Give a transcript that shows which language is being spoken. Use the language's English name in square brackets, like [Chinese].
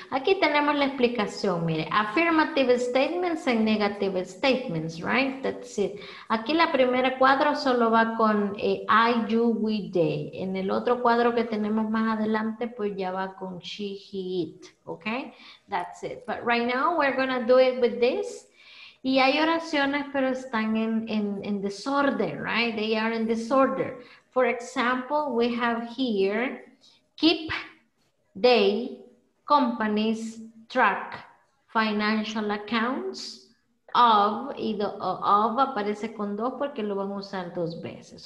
[Spanish] Aquí tenemos la explicación, mire. [English] Affirmative statements and negative statements, right? That's it. [Spanish] Aquí la primera cuadro solo va con I, you, we, they. En el otro cuadro que tenemos más adelante, pues ya va con she, he, it. [English] Okay, that's it. But right now we're going to do it with this. [Spanish] Y hay oraciones, pero están en disorder, right? [English] They are in disorder. For example, we have here, keep, they, companies, track, financial accounts, of, y the of [Spanish] aparece con dos porque lo van a usar dos veces.